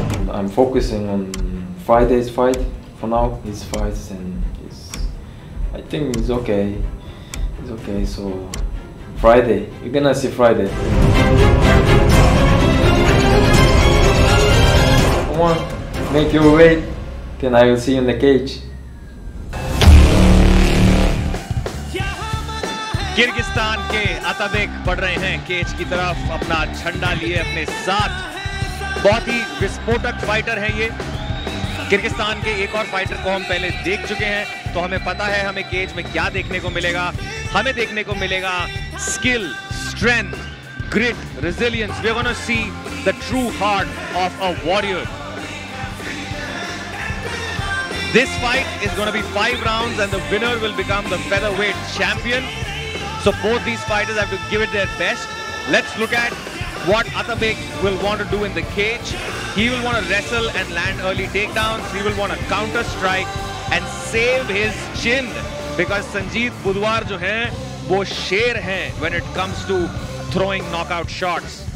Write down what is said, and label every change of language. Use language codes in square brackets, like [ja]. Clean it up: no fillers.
[en] I'm focusing on Friday's fight for now, his fights, and I think it's okay. So Friday, you're gonna see Friday. Come on, make your way, then I will see you in the cage. [hi] Kyrgyzstan के अतबेक बढ़ रहे हैं cage की तरफ अपना झंडा लिए अपने साथ बहुत ही विस्फोटक फाइटर हैं ये किर्गिस्तान के एक और फाइटर को हम पहले देख चुके हैं तो हमें पता है हमें केज में क्या देखने को मिलेगा हमें देखने को मिलेगा skill strength grit resilience we gonna see the true heart of a warrior [en] This fight is gonna be 5 rounds and the winner will become the featherweight champion So both these fighters have to give it their best. Let's look at what Atabek will want to do in the cage. He will want to wrestle and land early takedowns. He will want to counter strike and save his chin. Because Sanjeet Budhwar jo hain, wo sher hain when it comes to throwing knockout shots.